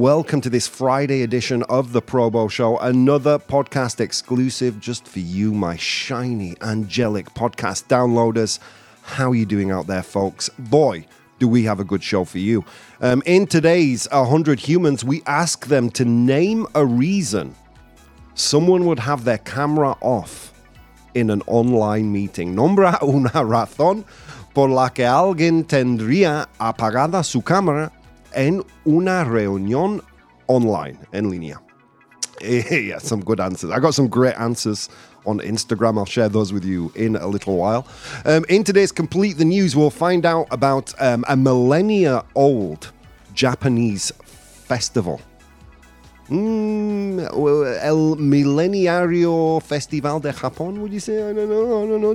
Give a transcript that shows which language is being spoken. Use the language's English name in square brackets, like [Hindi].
[English] Welcome to this Friday edition of The Probo Show, another podcast exclusive just for you, my shiny, angelic podcast downloaders. How are you doing out there, folks? Boy, do we have a good show for you. In today's 100 Humans, we ask them to name a reason someone would have their camera off in an online meeting. [Spanish] Nombra una razón por la que alguien tendría apagada su cámara en una reunión online, en línea. [English] Yeah, some good answers. I got some great answers on Instagram. I'll share those with you in a little while. In today's Complete the News, we'll find out about a millennia-old Japanese festival. [Spanish] El Millenario Festival de Japón, [English] would you say? I don't know.